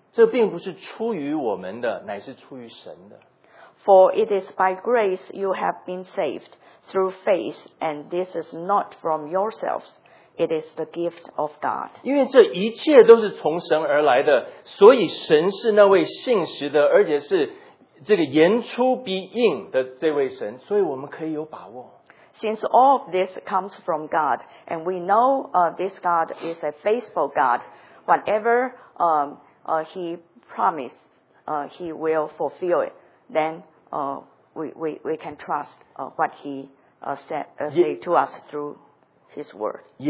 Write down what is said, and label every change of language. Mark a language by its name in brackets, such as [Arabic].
[Chinese] 我们得救是本乎恩，也是因着信。这并不是出于我们的，乃是出于神的。 [English] For it is by grace you have been saved through faith, and this is not from yourselves. It is the gift of God. [Chinese] 因为这一切都是从神而来的，所以神是那位信实的，而且是这个言出必应的这位神，所以我们可以有把握。 [English] Since all of this comes from God, and we know this God is a faithful God, whatever He promised, He will fulfill it. Then we can trust what He said to us through His word.